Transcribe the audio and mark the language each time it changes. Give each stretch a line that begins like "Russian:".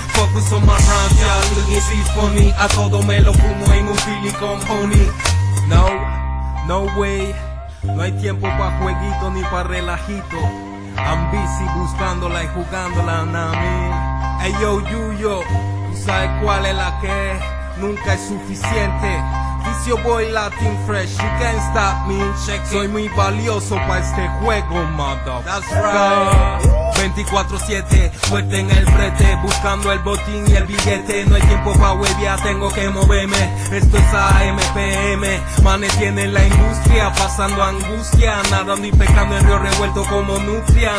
English: Focus on my rhymes, yeah, this is funny.
Spanish: A todo me lo fumo en un Philly con honey.
English: No, no way.
Spanish: No hay tiempo pa' jueguito ni pa' relajito.
English: I'm busy
Spanish: buscándola y jugándola, nami. Hey yo, Yuyo, tú sabes cuál es la que nunca es suficiente.
English: This your boy Latin Fresh, you can't stop me. Check it.
Spanish: Soy muy valioso pa' este juego, motherfucker.
English: That's right.
Spanish: 24-7, fuerte en el frente, buscando el botín y el billete. No hay tiempo pa' huevia, tengo que moverme. Esto es AMPM. Manes tienen la industria, pasando angustia. Nadando y pecando en río revuelto como nutria.